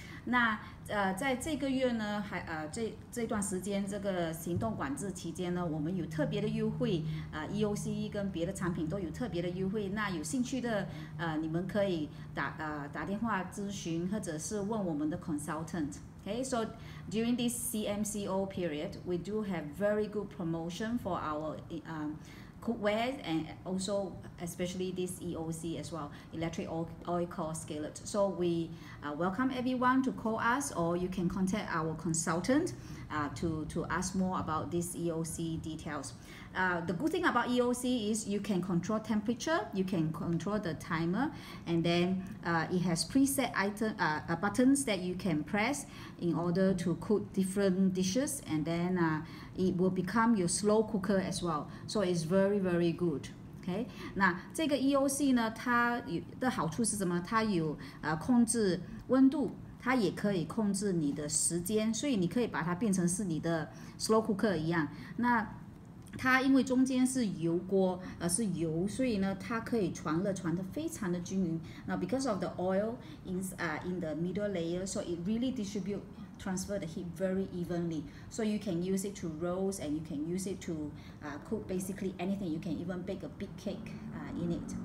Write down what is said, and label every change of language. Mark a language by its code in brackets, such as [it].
[zh] 那、在这个月呢还、这段时间这个行动管制期间呢，我们有特别的优惠、EOC 跟别的产品都有特别的优惠，那有兴趣的、你们可以 打电话咨询或者是问我们的 consultant。 [en] Okay, so during this CMCO period, we do have very good promotion for our cookware and also especially this EOC as well, electric oil core skillet. So we welcome everyone to call us or you can contact our consultant to ask more about this EOC details. The good thing about EOC is you can control temperature, you can control the timer, and then it has preset item, buttons that you can press in order to cook different dishes, and then it will become your slow cooker as well. So it's very, very good. Okay? [zh] 那这个 EOC 呢，它的好处是什么？它有控制温度，它也可以控制你的时间，所以你可以把它变成是你的 slow cooker 一样。那它因为中间是油锅，是油，所以呢，它可以传热传得非常的均匀。 [en] Now because of the oil in the middle layer, so it really transfer the heat very evenly. So you can use it to roast and you can use it to cook basically anything. You can even bake a big cake in it.